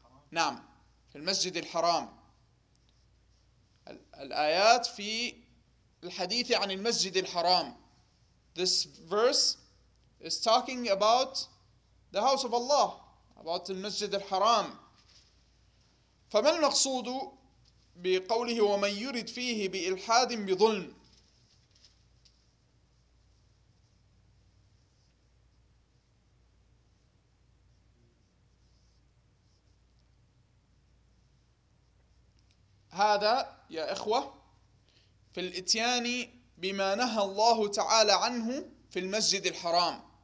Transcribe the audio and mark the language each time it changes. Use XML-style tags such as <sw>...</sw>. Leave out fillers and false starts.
<ar>نعم، في المسجد الحرام. الآيات في الحديث عن المسجد الحرام.</ar> <en>This verse is talking about the house of Allah, about المسجد الحرام.</en> <ar>فما المقصود بقوله ومن يرد فيه بإلحاد بظلم؟ هذا يا إخوة في الإتيان بما نهى الله تعالى عنه في المسجد الحرام.</ar>